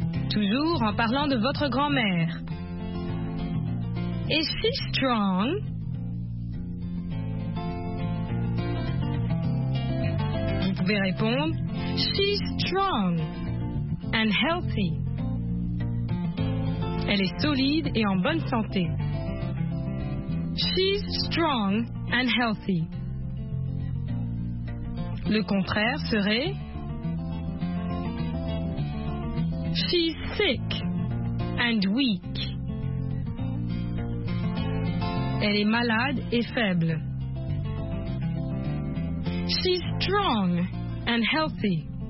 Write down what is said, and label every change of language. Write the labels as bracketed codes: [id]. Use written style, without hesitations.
[fr] Toujours en parlant de votre grand-mère. [en] Is she strong? [fr] Vous pouvez répondre, [en] she's strong and healthy. [fr] Elle est solide et en bonne santé. [en] She's strong and healthy. [fr] Le contraire serait... [en] She's sick and weak. [fr] Elle est malade et faible. [en] She's strong and healthy.